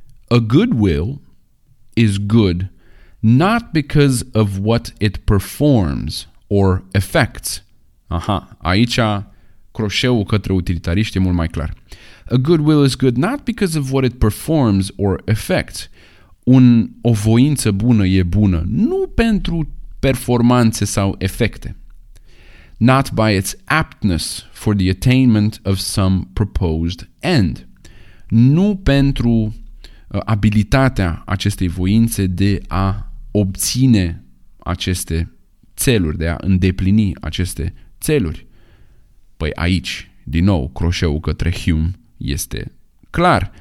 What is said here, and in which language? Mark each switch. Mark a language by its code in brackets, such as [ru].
[en] A good will is good not because of what it performs or effects. [ro] Aha, aici croșeul către utilitariști e mult mai clar. [en] A good will is good not because of what it performs or effects. [ro] O voință bună e bună, nu pentru performanțe sau efecte. [en] Not by its aptness for the attainment of some proposed end. [ro] Nu pentru abilitatea acestei voințe de a obține aceste țeluri, de a îndeplini aceste țeluri. Păi aici, din nou, croșeul către Hume este clar.